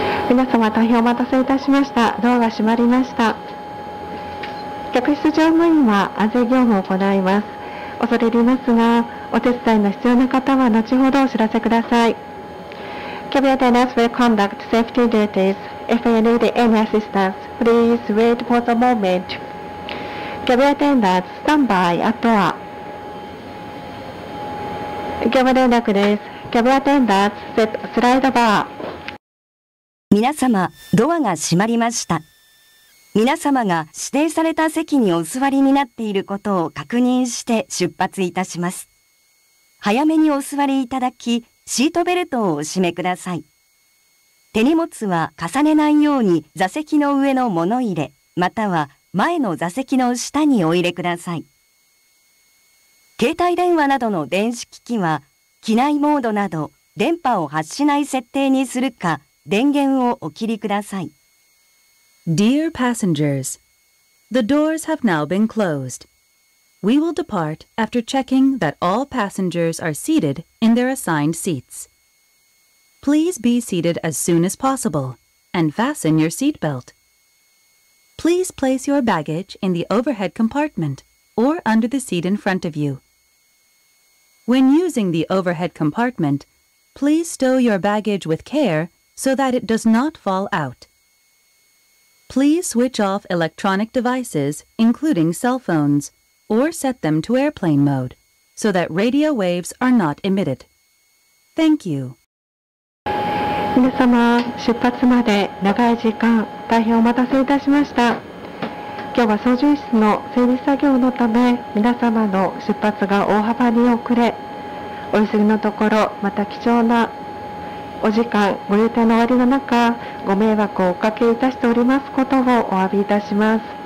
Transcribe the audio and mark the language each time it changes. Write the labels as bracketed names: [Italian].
[Japanese] 皆様大変お待たせいたしました。ドアが閉まりました。客室乗務員は安全業務を行います。恐れ入りますが、お手伝いの必要な方は後ほどお知らせください。 [English] Cabin attendants will conduct safety duties. If you need any assistance, please wait for the moment. Cabin attendants, stand by at door. [Japanese] 業務連絡です。 [English] Cabin attendants, set slide bar. [Japanese] 皆様、ドアが閉まりました。皆様が指定された席にお座りになっていることを確認して出発いたします。早めにお座りいただき、シートベルトをお締めください。手荷物は重ねないように座席の上の物入れ、または前の座席の下にお入れください。携帯電話などの電子機器は、機内モードなど電波を発しない設定にするか、電源をお切りください。 [English] Dear passengers, the doors have now been closed. We will depart after checking that all passengers are seated in their assigned seats. Please be seated as soon as possible and fasten your seat belt. Please place your baggage in the overhead compartment or under the seat in front of you. When using the overhead compartment, please stow your baggage with care so that it does not fall out. Please switch off electronic devices, including cell phones, or set them to airplane mode, so that radio waves are not emitted. Thank you. [Japanese] 皆様、出発まで長い時間、大変お待たせいたしました。今日は操縦室の整備作業のため、皆様の出発が大幅に遅れ、お急ぎのところ、また貴重なお時間ご予定の終わりの中ご迷惑をおかけいたしておりますことをお詫びいたします。